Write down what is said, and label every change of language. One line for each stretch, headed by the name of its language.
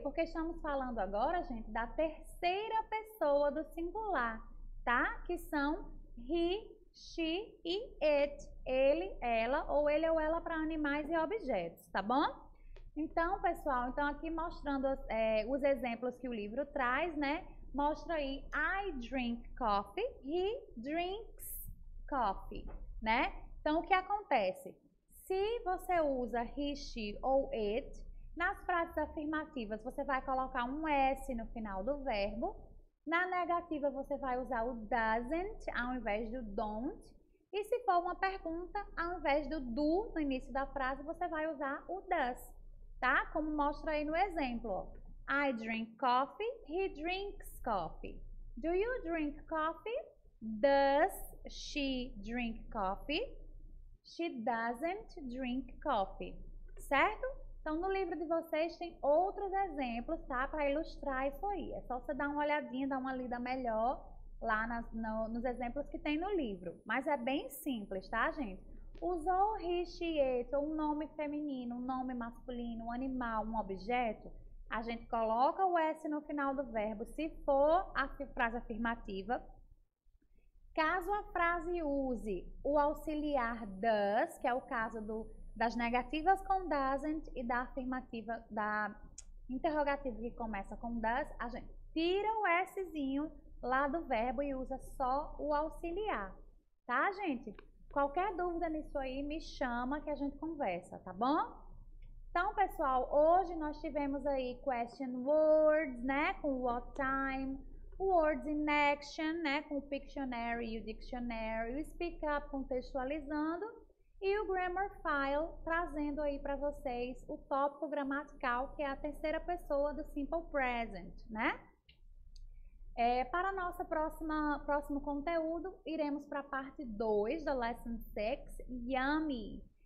Portuguese: Porque estamos falando agora, gente, da terceira pessoa do singular, tá? Que são he, she e it. Ele, ela, ou ele ou ela para animais e objetos, tá bom? Então, pessoal, então aqui mostrando os exemplos que o livro traz, né? Mostra aí,
English: I drink coffee, he drinks coffee, né?
Portuguese: Então, o que acontece? Se você usa he, she ou it, nas frases afirmativas você vai colocar um S no final do verbo. Na negativa você vai usar o doesn't ao invés do don't. E se for uma pergunta, ao invés do do no início da frase, você vai usar o does. Tá? Como mostra aí no exemplo.
English: I drink coffee, he drinks coffee. Do you drink coffee? Does she drink coffee? She doesn't drink coffee.
Portuguese: Certo? Então, no livro de vocês tem outros exemplos, tá? Para ilustrar isso aí. É só você dar uma olhadinha, dar uma lida melhor lá nos exemplos que tem no livro. Mas é bem simples, tá, gente? Usou o he, she, it, um nome feminino, um nome masculino, um animal, um objeto, a gente coloca o S no final do verbo, se for a frase afirmativa. Caso a frase use o auxiliar does, que é o caso das negativas com doesn't e da afirmativa, da interrogativa que começa com does, a gente tira o Szinho lá do verbo e usa só o auxiliar, tá, gente? Qualquer dúvida nisso aí, me chama que a gente conversa, tá bom? Então, pessoal, hoje nós tivemos aí question words, né? Com what time, words in action, né? Com o Pictionary e o Dictionary, o Speak Up contextualizando e o Grammar File trazendo aí para vocês o tópico gramatical, que é a terceira pessoa do Simple Present, né? Para nosso próximo conteúdo, iremos para a parte 2 da Lesson 6, Yummy!